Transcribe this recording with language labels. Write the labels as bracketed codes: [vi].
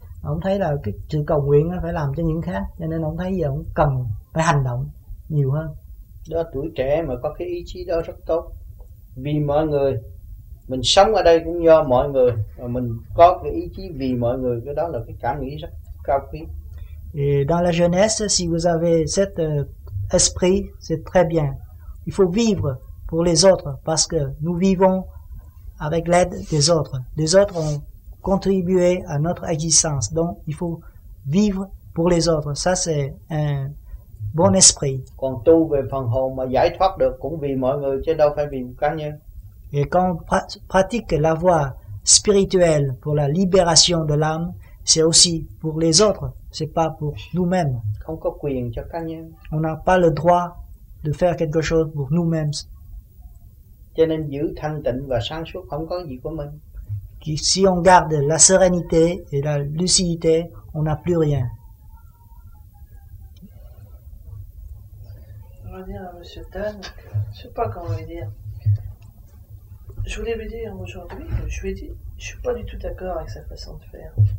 [vi] Ông thấy là cái sự cầu nguyện phải làm cho những khác, cho nên ông thấy giờ ông cần phải hành động nhiều hơn. Đó, tuổi trẻ mà có cái ý chí đó rất tốt, vì mọi người, mình sống ở đây cũng do mọi người, mà mình có cái ý chí vì mọi người, cái đó là cái cảm nghĩ rất cao quý. [fr] Dans la jeunesse, si vous avez cet esprit, c'est très bien. Il faut vivre pour les autres parce que nous vivons avec l'aide des autres. Les autres ont contribué à notre existence, donc il faut vivre pour les autres. Ça, c'est un bon esprit. [vi] Còn tu về phần hồn mà giải thoát được cũng vì mọi người chứ đâu phải vì một cá nhân. [fr] Et quand on pratique la voie spirituelle pour la libération de l'âme, c'est aussi pour les autres, c'est pas pour nous-mêmes. [vi] Không có quyền cho cá nhân. [fr] On n'a pas le droit de faire quelque chose pour nous-mêmes. [vi] Cho nên giữ thanh tịnh và sáng suốt không có gì của mình. [fr] Si on garde la sérénité et la lucidité, on n'a plus rien. Je veux dire à Monsieur Tan, je ne sais pas comment lui dire. Je voulais lui dire aujourd'hui que je lui ai dit, je ne suis pas du tout d'accord avec sa façon de faire.